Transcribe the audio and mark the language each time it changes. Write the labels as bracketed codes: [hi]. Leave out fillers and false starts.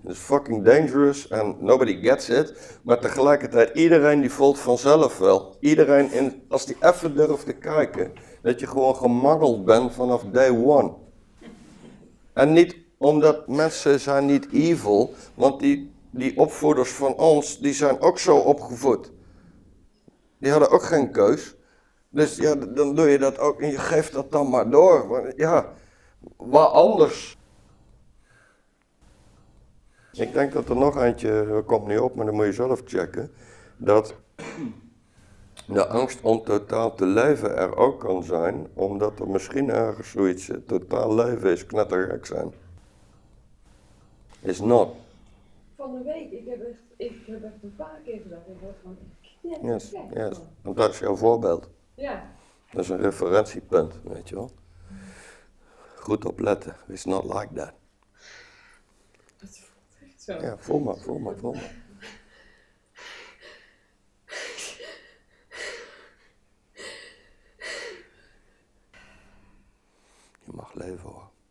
[en] It is fucking dangerous and nobody gets it. [nl] Maar tegelijkertijd, iedereen die voelt vanzelf wel. Iedereen, als die even durft te kijken, dat je gewoon gemangeld bent vanaf [en] day one. [nl] En niet omdat mensen zijn niet evil, want die opvoeders van ons, die zijn ook zo opgevoed. Die hadden ook geen keus. Dus ja, dan doe je dat ook en je geeft dat dan maar door. Ja, waar anders? Ik denk dat er nog eentje, dat komt niet op, maar dan moet je zelf checken, dat de angst om totaal te leven er ook kan zijn, omdat er misschien ergens zoiets totaal leven is, knettergek zijn. [en] Is not. [nl] Van de week, ik heb echt ik heb echt een paar keer gedacht, ik word gewoon echt yes. Want dat is jouw voorbeeld. Ja. Dat is een referentiepunt, weet je wel. Goed opletten, [en] it's not like that. [nl] Dat voelt echt zo. Ja, voel maar, voel maar, voel maar. Je mag leven hoor.